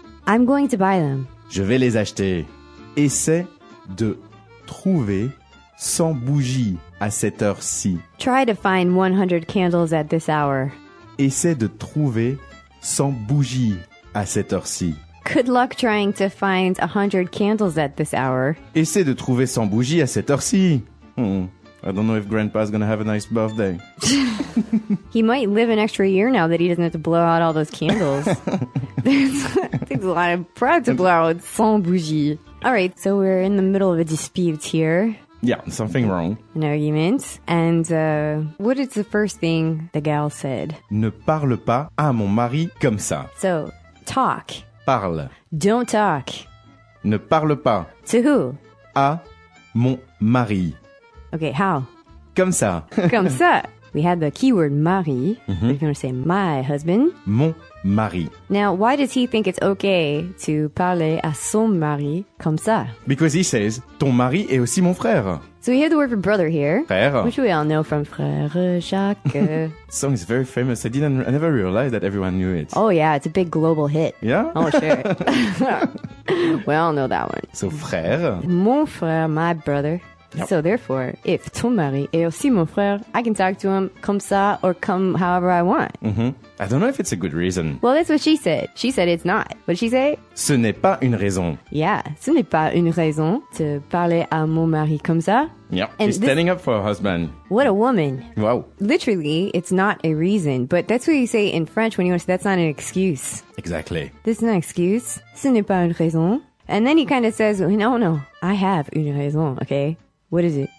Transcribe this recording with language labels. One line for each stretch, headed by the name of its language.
English: I'm going to buy them.
French: Je vais les acheter. Essaie de trouver 100 bougies à cette heure-ci.
English: Try to find 100 candles at this hour.
French: Essaie de trouver 100 bougies à cette heure-ci.
English: Good luck trying to find 100 candles at this hour.
French: Essaie de trouver 100 bougies à cette heure-ci.
English: I don't know if grandpa's gonna have a nice birthday. He might live an extra year now that he doesn't have to blow out all those candles. There's a lot of pride to blow out 100 bougies. All right, so we're in the middle of a dispute here. Yeah, something wrong. An argument. And what is the first thing the gal said?
French: Ne parle pas à mon mari comme ça.
English: So, talk.
French: Parle.
English: Don't talk.
French: Ne parle pas.
English: To who?
French: À mon mari.
English: Okay, how?
French: Comme ça. Comme ça.
English: We had the keyword mari. Mm-hmm. We're going to say my husband.
French: Mon mari.
English: Now, why does he think it's okay to
French: parler à son mari comme ça?
English: Because he says,
French: ton mari est aussi mon frère.
English: So we hear the word for brother here.
French: Frère.
English: Which we all know from Frère Jacques. This song is very famous. I never realized that everyone knew it. Oh, yeah. It's a big global hit. Yeah? Oh, sure. We all know that one. So frère.
French: Mon frère,
English: my brother. Yep. So therefore, if
French: ton mari est aussi mon frère,
English: I can talk to him
French: comme ça
English: or comme however I want. Mm-hmm. I don't know if it's a good reason. Well, that's what she said. She said it's not. What did she say?
French: Ce n'est pas une raison. Yeah, ce n'est pas une raison de parler à mon mari comme ça.
English: Yep, and she's standing up for her husband. What a woman. Wow. Literally, it's not a reason. But that's what you say in French when you want to say that's not an excuse. Exactly. This is not an excuse.
French: Ce n'est pas une raison.
English: And then he kind of says, no, I have une raison, okay? What is it?